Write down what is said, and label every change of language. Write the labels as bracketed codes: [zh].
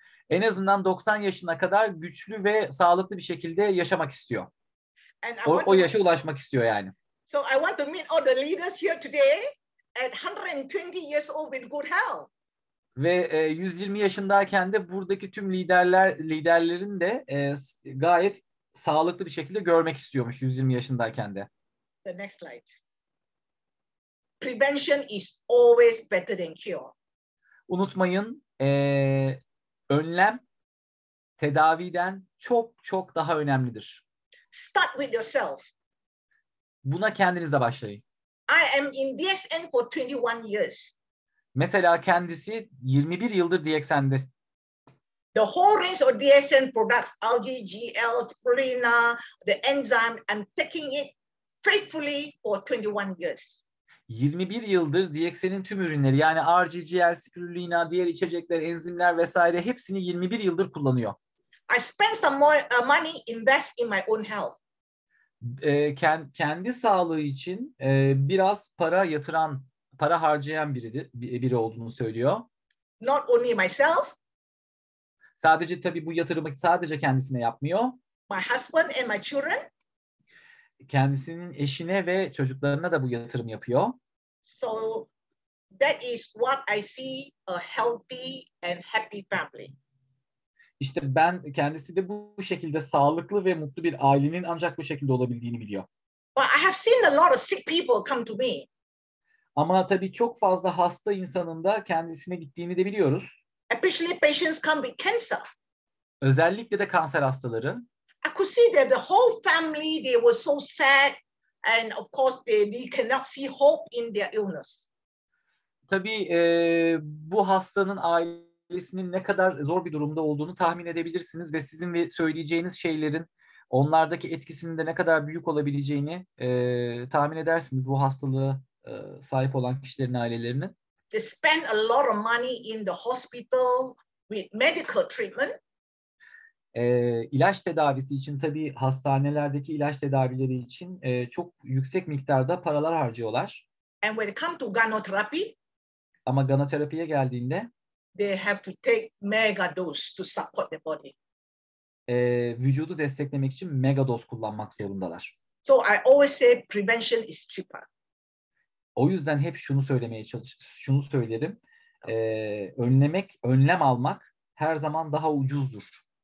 [tr] En azından 90 yaşına kadar güçlü ve sağlıklı bir şekilde yaşamak istiyor. O yaşa ulaşmak istiyor yani. [en] So I want to meet all the leaders here today at 120 years old with good health. [tr] Ve 120 yaşındayken de buradaki tüm liderlerin de gayet sağlıklı bir şekilde görmek istiyormuş 120 yaşındayken de. [en] The next slide. Prevention is always better than cure. [tr] Unutmayın, önlem tedaviden çok çok daha önemlidir. [en] Start with yourself. [tr] Buna kendinize başlayın. [en] I am in DSM for 21 years. [tr] Mesela kendisi 21 yıldır DSM'de. [en] The whole range of DSM products, RGGL, spirulina, the enzyme, I'm taking it faithfully for 21 years. [tr] 21 yıldır DXN'in tüm ürünleri yani RGGL, spirulina, diğer içecekler, enzimler vesaire hepsini 21 yıldır kullanıyor. [en] I spend some more money invest in my own health. [tr] Kendi sağlığı için biraz para yatıran, para harcayan biri olduğunu söylüyor. [en] Not only myself. [tr] Sadece tabii bu yatırımı sadece kendisine yapmıyor. [en] My husband and my children. [tr] Kendisinin eşine ve çocuklarına da bu yatırım yapıyor. [en] So that is what I see, a healthy and happy family. [tr] İşte ben kendisi de bu şekilde sağlıklı ve mutlu bir ailenin ancak bu şekilde olabildiğini biliyor. [en] But I have seen a lot of sick people come to me. [tr] Ama tabii çok fazla hasta insanın da kendisine gittiğini de biliyoruz. [en] Especially patients come with cancer. [tr] Özellikle de kanser hastaları. [en] I could see that the whole family, they were so sad and of course they cannot see hope in their illness. [tr] Tabii bu hastanın ailesinin ne kadar zor bir durumda olduğunu tahmin edebilirsiniz ve sizin söyleyeceğiniz şeylerin onlardaki etkisinin de ne kadar büyük olabileceğini tahmin edersiniz bu hastalığı sahip olan kişilerin ailelerinin. [en] They spend a lot of money in the hospital with medical treatment. [tr] İlaç tedavisi için tabii hastanelerdeki ilaç tedavileri için çok yüksek miktarda paralar harcıyorlar. [en] And when it comes to gonotherapy, [tr] ama ganoterapiye geldiğinde [en] they have to take mega dose to support the body. [tr] Vücudu desteklemek için mega doz kullanmak zorundalar. [en] So I always say prevention is cheaper. [tr] O yüzden hep şunu söylemeye şunu söylerim. Önlemek, önlem almak her zaman daha ucuzdur.